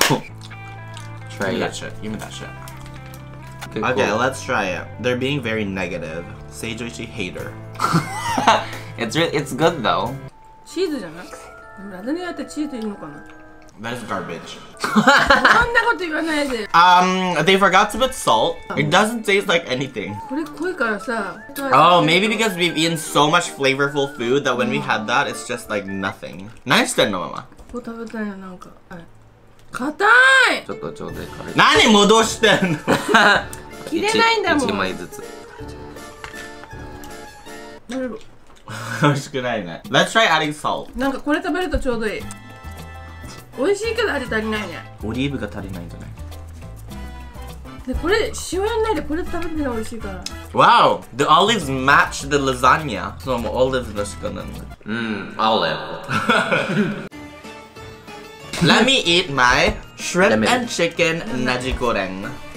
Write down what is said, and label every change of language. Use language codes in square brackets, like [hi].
[en] Try it. Give me that shit. Okay, let's try it. They're being very negative. Seijyo Ishii hater. it's good though. [ja] Cheese じゃない？ラザニアってチーズいるのかな？ [en] That's garbage. [ja] そんなこと言わないで。 [en] They forgot to put salt. It doesn't taste like anything. [ja] これ濃いからさ。 [en] Oh, maybe because we've eaten so much flavorful food that when we had that, it's just like nothing. [ja] 何してんのママ？こう食べたいなんか。硬い。ちょっとちょうどいい感じ。何戻してんの？切れないんだもん。一枚ずつ。なるほど。美味しくないね。 Let's try adding salt。なんかこれ食べるとちょうどいい。美味しいけど味足りないね。オリーブが足りないんじゃない？でこれ塩やんないでこれ食べてね美味しいから。 [en] Wow, the olives match the lasagna。 [ja] そのオリーブの色なんだ。オリーブ。 [en] Let me eat my shrimp and chicken nasi goreng.